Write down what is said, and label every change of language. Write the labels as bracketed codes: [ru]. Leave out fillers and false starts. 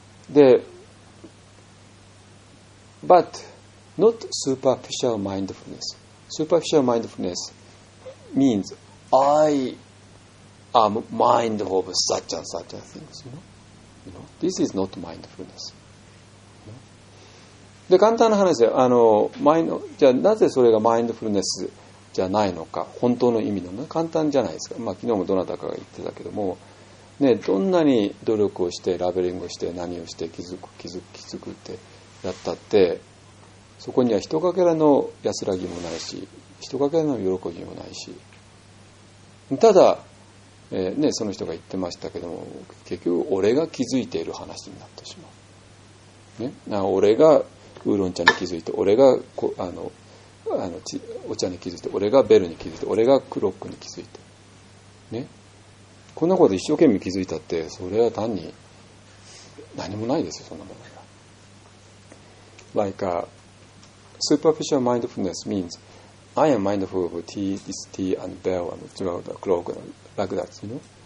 [en] The but not superficial mindfulness. Superficial mindfulness means I am mind of such and such things, you know. You know, this is not mindfulness. You know? [ja] で、簡単な話で、じゃあなぜそれがマインドフルネスじゃないのか、本当の意味なのか、簡単じゃないですか。まあ、昨日もどなたかが言ってたけども、ね、どんなに努力をして、ラベリングをして、何をして、気づくってやったって、そこには一かけらの安らぎもないし、一かけらの喜びもないし、ただ、ね、その人が言ってましたけども、結局俺が気づいている話になってしまう、ね、な俺がウーロン茶に気づいて、俺がこあのお茶に気づいて、俺がベルに気づいて、俺がクロックに気づいて、ね、こんなこと一生懸命気づいたって、それは単に何もないですよ、そんなものが。 [en] Like a superficial mindfulness means I am mindful of tea, this tea and bell and throughout the clock andLike that, you know.